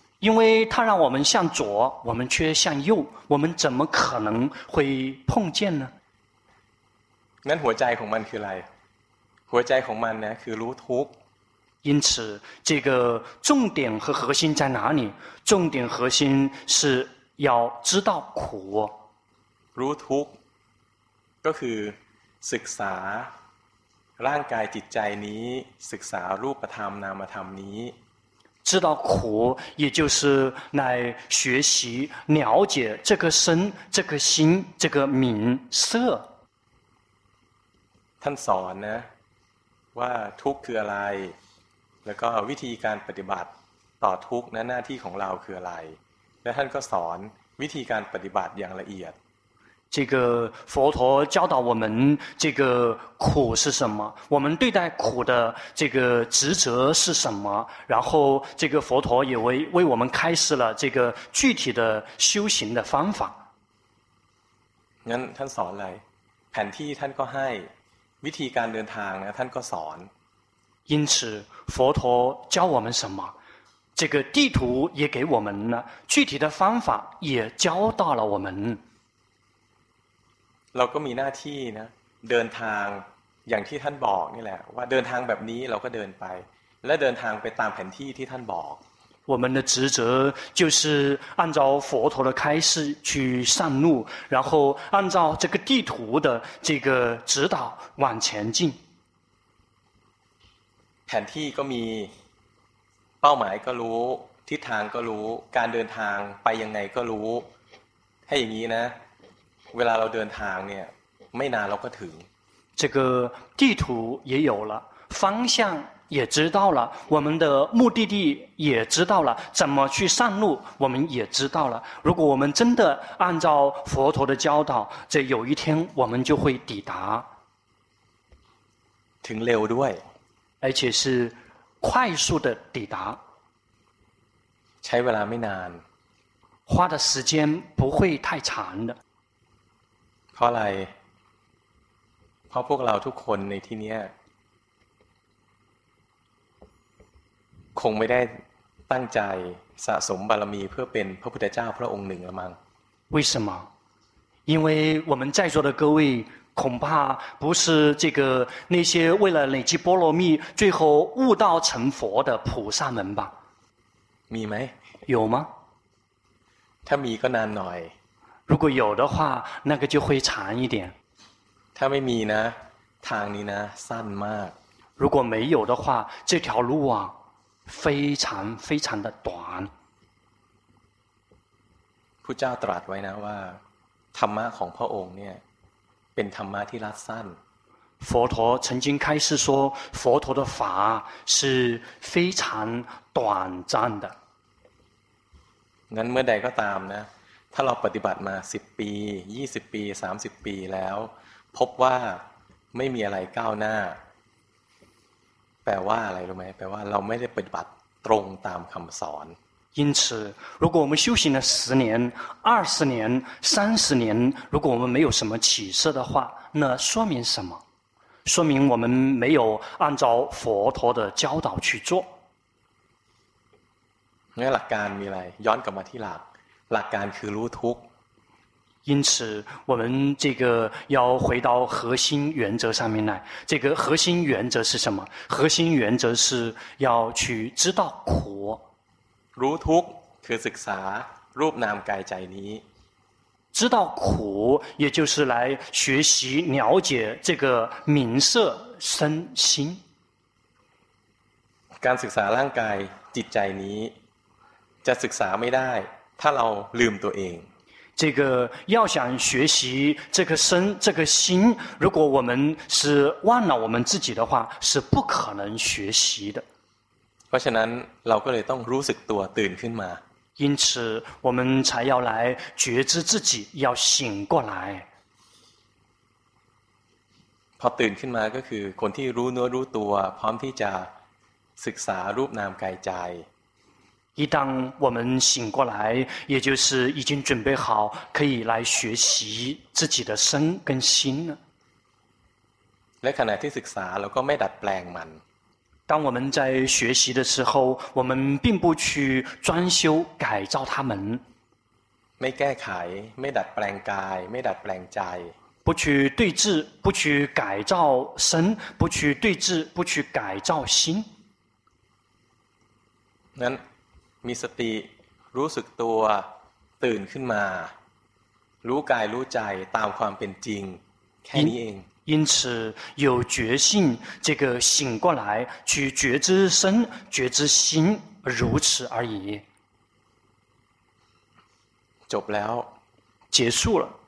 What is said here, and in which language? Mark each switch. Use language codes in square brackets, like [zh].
[zh] 因为他让我们向左，我们却向右，我们怎么可能会碰见呢？ [th] นั้นหัวใจของมันคืออะไร？ หัวใจของมันนะคือรู้ทุกข์ [zh] 因此这个重点和核心在哪里重点核心是要知道苦 [th] รู้ทุกข์ก็คือศึกษาร่างกายจิตใจนี้ศึกษารูปธรรมนามธรรมนี้ [zh] 知道苦也就是来学习了解这个身这个心这个名色 [th] ท่านสอนนะว่าทุกข์คืออะไรแล้วก็วิธีการปฏิบัติต่อทุกข์นั้นหน้าที่ของเราคืออะไรและท่านก็สอนวิธีการปฏิบัติอย่างละเอียด [zh] 这个佛陀教导我们这个苦是什么我们对待苦的这个职责是什么然后这个佛陀也为我们开示了这个具体的修行的方法 [th] งั้นท่านสอนอะไรแผนที่ท่านก็ให้วิธีการเดินทางนะท่านก็สอน [zh] 因此佛陀教我们什么这个地图也给我们了具体的方法也教到了我们 [th] เราก็มีหน้าที่นะเดินทางอย่างที่ท่านบอกนี่แหละว่าเดินทางแบบนี้เราก็เดินไปและเดินทางไปตามแผนที่ที่ท่านบอก [zh] 我们的职责就是按照佛陀的开示去上路然后按照这个地图的这个指导往前进 [th] แผนที่ก็มีเป้าหมายก็รู้ทิศทางก็รู้การเดินทางไปยังไงก็รู้ให้อย่างนี้นะเวลาเราเดินทางเนี่ยไม่นานเราก็ถึง [zh] 这个地图也有了方向也知道了我们的目的地也知道了怎么去上路我们也知道了如果我们真的按照佛陀的教导这有一天我们就会抵达 [th] ถึงเร็วด้วย [zh] 而且是快速的抵达 [th] ใช้เวลาไม่นาน [zh] 花的时间不会太长的 [th] เพราะอะไรเพราะพวกเราทุกคนในที่นี้คงไม่ได้ตั้งใจสะสมบารมีเพื่อเป็นพระพุทธเจ้าพระองค์หนึ่งละมั้ง [zh] 为什么因为我们在座的各位恐怕不是这个那些为了累积波罗蜜最后悟道成佛的菩萨们吧 [th] มีไหม [zh] 有吗 [th] ถ้ามีก็นานหน่อย [zh] 如果有的话那个就会长一点 [th] ถ้าไม่มีนะทางนี้นะสั้นมาก [zh] 如果没有的话这条路啊非常非常的短 [th] พุทธเจ้าตรัสไว้นะว่าธรรมะของพระองค์เนี่ยเป็นธรรมะที่รัดสั้น [zh] 佛陀曾经开示说佛陀的法是非常短暂的 [th] งั้นเมื่อใดก็ตามนะถ้าเราปฏิบัติมา10ปี20ปี30ปีแล้วพบว่าไม่มีอะไรก้าวหน้าแปลว่าอะไรรู้ไหมแปลว่าเราไม่ได้ปฏิบัติตรงตามคำสอน [zh] 因此如果我们修行了10年20年30年如果我们没有什么起色的话那说明什么说明我们没有按照佛陀的教导去做 [th] นี่หลักการมีอะไรย้อนกลับมาที่หลักหลักการคือรู้ทุกข์ [zh] 因此我们这个要回到核心原则上面来这个核心原则是什么核心原则是要去知道苦 [th] รู้ทุกข์คือศึกษารูปนามกายใจนี้ [zh] 知道苦也就是来学习了解这个名色身心 [th] การศึกษาร่างกายจิตใจนี้จะศึกษาไม่ได้ถ้าเราลืมตัวเอง [zh] 这个要想学习这个身这个心如果我们是忘了我们自己的话是不可能学习的 [th] เพราะฉะนั้นเราก็เลยต้องรู้สึกตัวตื่นขึ้นมา [zh] 因此我们才要来觉知自己要醒过来 [th] พอตื่นขึ้นมาก็คือคนที่รู้เนื้อรู้ตัวพร้อมที่จะศึกษารูปนามกายใจ [zh] 一旦我们醒过来也就是已经准备好可以来学习自己的身跟心了 [th] และขณะที่ศึกษาเราก็ไม่ดัดแปลงมัน [zh] 当我们在学习的时候我们并不去专修改造他们 [th] ไม่แก้ไขไม่ดัดแปลงกายไม่ดัดแปลงใจ [zh] 不去对治不去改造身不去对治不去改造心 [th] นั้นมีสติรู้สึกตัวตื่นขึ้นมารู้กายรู้ใจตามความเป็นจริงแค่นี้เอง [zh] 因此有觉性这个醒过来去觉知身觉知心如此而已 [th] จบแล้ว [zh] 结束了